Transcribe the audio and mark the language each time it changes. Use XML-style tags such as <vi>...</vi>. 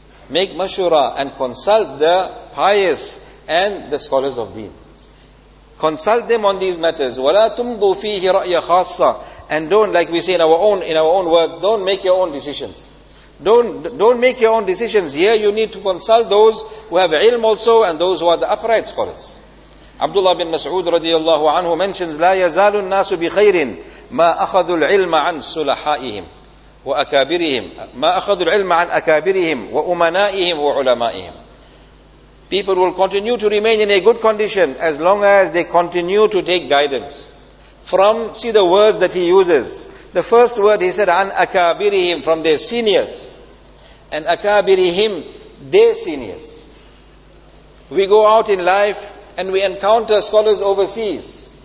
<en>Make mashura and consult the pious and the scholars of deen. Consult them on these matters.</en> <ar>وَلَا تُمْضُوا فِيهِ رَأْيَ خَاصَّ.</ar> <en>And don't, like we say in our own words, don't make your own decisions. Don't make your own decisions. Here you need to consult those who have ilm also and those who are the upright scholars.</en> <ar>Abdullah bin Mas'ud radiallahu anhu mentions, لا يزال الناس بخير ما أخذوا العلم عن سلحائهم وأكابرهم ما أخذوا العلم عن أكابرهم وأمنائهم وعلمائهم.</ar> <en>People will continue to remain in a good condition as long as they continue to take guidance from, see the words that he uses. The first word he said, an akabirihim, from their seniors. And akabirihim, their seniors. We go out in life and we encounter scholars overseas.</en>